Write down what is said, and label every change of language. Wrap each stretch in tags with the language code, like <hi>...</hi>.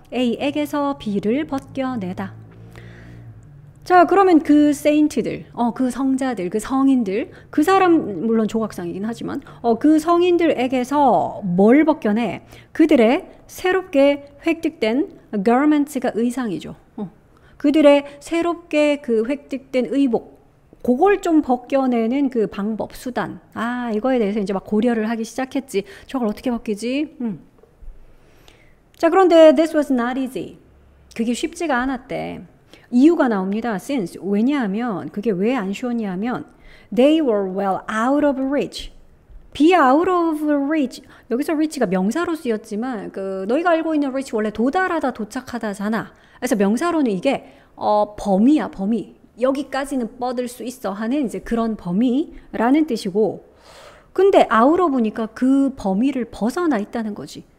<ko>a에게서 b를 벗겨내다. 자, 그러면 그 세인트들, 그 성자들, 그 성인들, 그 사람, 물론 조각상이긴 하지만, 그 성인들에게서 뭘 벗겨내? 그들의 새롭게 획득된 garments가 의상이죠. 그들의 새롭게 그 획득된 의복, 그걸 좀 벗겨내는 그 방법, 수단. 아, 이거에 대해서 이제 막 고려를 하기 시작했지. 저걸 어떻게 벗기지?</ko> <en>자, 그런데 this was not easy.</en> <ko>그게 쉽지가 않았대. 이유가 나옵니다. Since.</ko> <en>왜냐하면, 그게 왜안 쉬웠냐면, they were well out of reach. Be out of reach.</en> <ko>여기서 reach가 명사로 쓰였지만, 너희가 알고 있는 reach 원래 도달하다, 도착하다잖아. 그래서 명사로는 이게, 범위야, 범위. 여기까지는 뻗을 수 있어 하는 이제 그런 범위라는 뜻이고, 근데 out of니까 그 범위를 벗어나 있다는 거지.</ko>